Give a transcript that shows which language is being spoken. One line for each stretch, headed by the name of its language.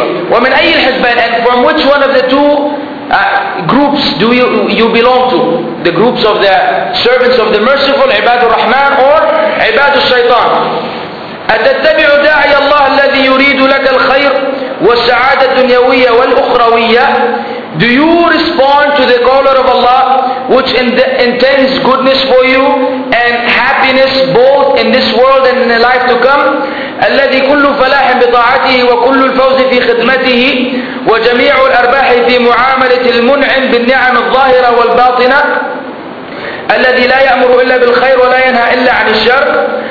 Arabic: ومن أي الحزبين,
English: and from which one of the two groups do you belong to? The groups of the servants of the merciful,
Arabic: عباد الرحمن,
English: or
Arabic: عباد الشيطان. أتتبع داعي الله الذي يريد لك الخير والسعادة الدنيوية والأخروية.
English: Do you respond to the caller of Allah which intends goodness for you and happiness both in this world and in the life to come?
Arabic: الذي كل فلاح بطاعته وكل الفوز في خدمته وجميع الأرباح في معاملة المنعم بالنعم الظاهرة والباطنة الذي لا يأمر إلا بالخير ولا ينهى إلا عن الشر.